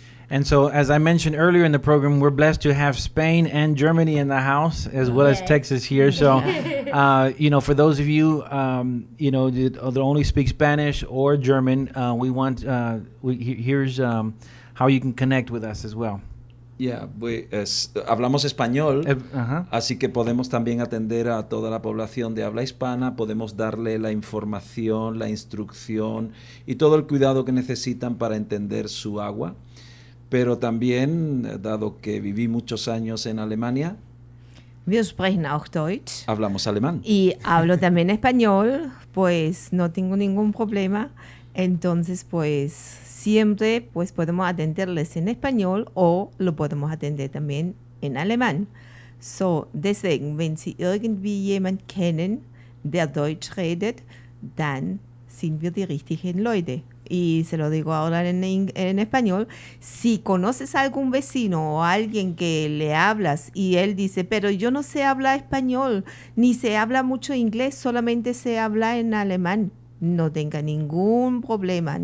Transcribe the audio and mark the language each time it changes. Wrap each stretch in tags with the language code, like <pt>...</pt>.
<en>And so, as I mentioned earlier in the program, we're blessed to have Spain and Germany in the house, as well as Texas here. So, you know, for those of you, you know, that only speak Spanish or German, we want, here's how you can connect with us as well.</en> <es>Yeah, hablamos español, así que podemos también atender a toda la población de habla hispana, podemos darle la información, la instrucción y todo el cuidado que necesitan para entender su agua. Pero también, dado que viví muchos años en Alemania,</es> <de>wir sprechen auch Deutsch.</de> <es>Hablamos alemán. Y hablo también español, pues no tengo ningún problema. Entonces, pues siempre pues podemos atenderles en español o lo podemos atender también en alemán.</es> <de>So, deswegen, wenn Sie irgendwie jemand kennen, der Deutsch redet, dann sind wir die richtigen Leute.</de> <es>Y se lo digo ahora en español. Si conoces a algún vecino o alguien que le hablas y él dice, pero yo no sé hablar español, ni sé hablar mucho inglés, solamente sé hablar en alemán, no tenga ningún problema.</es>